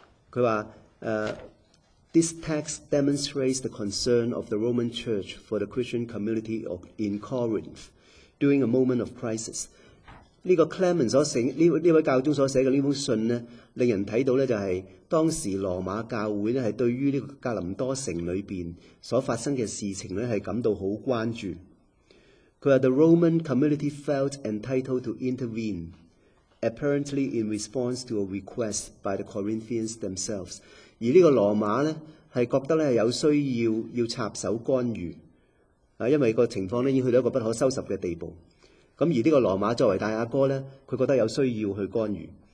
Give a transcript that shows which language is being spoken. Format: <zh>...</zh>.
<zh>他说</zh> <en>This text demonstrates the concern of the Roman Church for the Christian community in Corinth during a moment of crisis。</en> <zh>这个 Clement 所写这位教宗所写的这封信呢，令人看到就是当时罗马教会是对于这个格林多城里面所发生的事情是感到很关注。他说</zh> <en>The Roman community felt entitled to intervene, apparently in response to a request by the Corinthians themselves.</en> <zh>而这个罗马呢是觉得有需要要插手干预，因为个情况已经去到一个不可收拾的地步。而这个罗马作为大阿哥呢，他觉得有需要去干预。</zh>